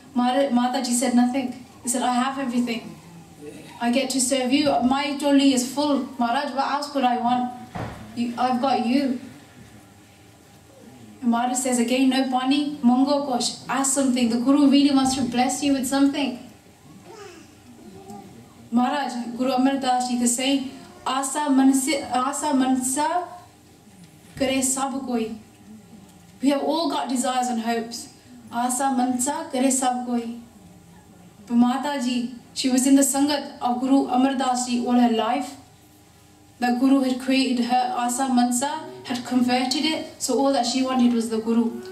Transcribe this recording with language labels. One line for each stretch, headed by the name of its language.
English: Mataji said nothing. He said, I have everything. I get to serve you. My doli is full. Maharaj, what else could I want? I've got you. And Maharaj says again,
Punjabi: no pani, mongo kosh,
English: ask something. The Guru really wants to bless you with something.
Punjabi: Maharaj, Guru Amar Das ji
English: is saying,
Punjabi: ਆਸਾ ਮਨਸਾ ਕਰੇ ਸਭ ਕੋਈ।
English: We have all got desires and hopes.
Punjabi: Asa mansa kare sab koi.
English: But Mataji, she was in the Sangat of Guru Amar Das Ji all her life. The Guru had created her asa mansa, had converted it, so all that she wanted was the Guru.